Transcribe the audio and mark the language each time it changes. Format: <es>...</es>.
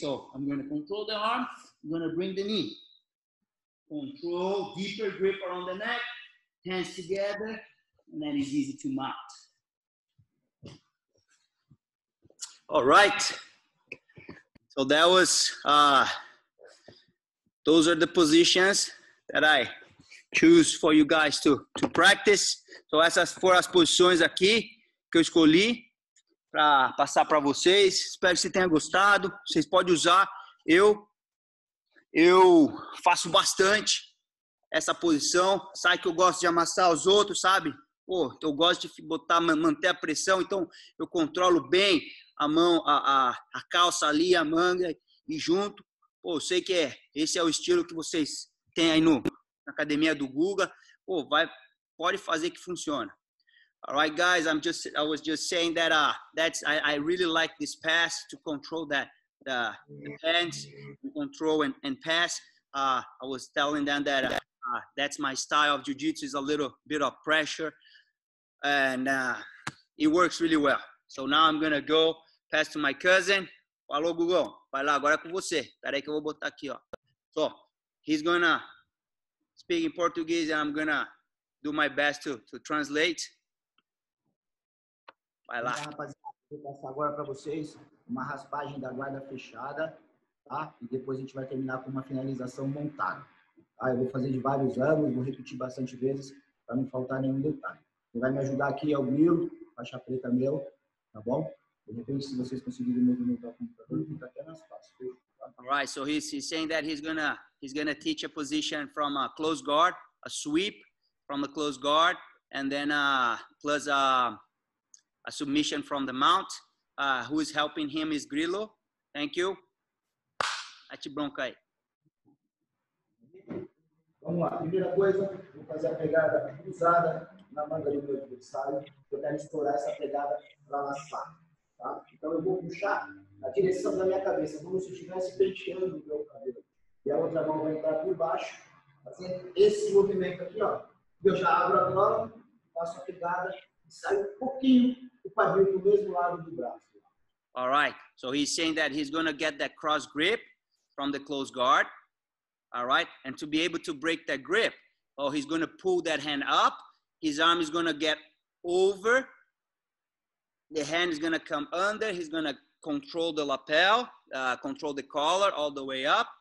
<en>So, I'm going to control the arm, I'm going to bring the knee. Control, deeper grip around the neck, hands together, and then it's easy to mount. All right. So that was, those are the positions that I choose for you guys to practice.</en> <pt>So essas foram as posições aqui que eu escolhi para passar para vocês. Espero que você tenha gostado. Vocês podem usar. Eu faço bastante essa posição. Sabe que eu gosto de amassar os outros, sabe? Pô, eu gosto de manter a pressão. Então, eu controlo bem a mão, a calça ali, a manga e junto. Pô, eu sei que esse é o estilo que vocês têm aí na academia do Guga. Pô, pode fazer que funciona.</pt> <en>All right, guys, I was just saying that I really like this pass to control that. The hands, control and pass. I was telling them that that's my style of jiu-jitsu, is a little bit of pressure, and it works really well. So now I'm gonna go pass to my cousin.</en> <pt>Falou, Gugão. Vai lá, agora é com você. Pera aí que eu vou botar aqui, ó.</pt> <en>So he's gonna speak in Portuguese, and I'm gonna do my best to translate.</en> <pt>Vai lá. Agora para vocês. Uma raspagem da guarda fechada, tá? E depois a gente vai terminar com uma finalização montada. Tá? Eu vou fazer de vários ângulos, vou repetir bastante vezes para não faltar nenhum detalhe. Quem vai me ajudar aqui é o Will, faixa preta meu, tá bom? De repente, se vocês conseguirem movimentar o computador, fica até nas costas. Tá?</pt> <en>All right, so he's saying that he's gonna teach a position from a close guard, a sweep from a close guard, and then plus a submission from the mount. Who is helping him is Grillo. Thank you.</en> <pt>Ati bronca aí. Vamos lá. Primeira coisa, vou fazer a pegada cruzada na manga do meu adversário. Eu quero estourar essa pegada para laçar. Tá? Então eu vou puxar a direção da minha cabeça, como se eu estivesse penteando o meu cabelo. E a outra mão vai entrar por baixo, fazendo esse movimento aqui, ó. Eu já abro a bola, faço a pegada e saio um pouquinho o quadril do mesmo lado do braço.</pt> <en>All right, so he's saying that he's going to get that cross grip from the close guard, all right? And to be able to break that grip, oh, he's going to pull that hand up. His arm is going to get over. The hand is going to come under. He's going to control the lapel, control the collar all the way up.</en>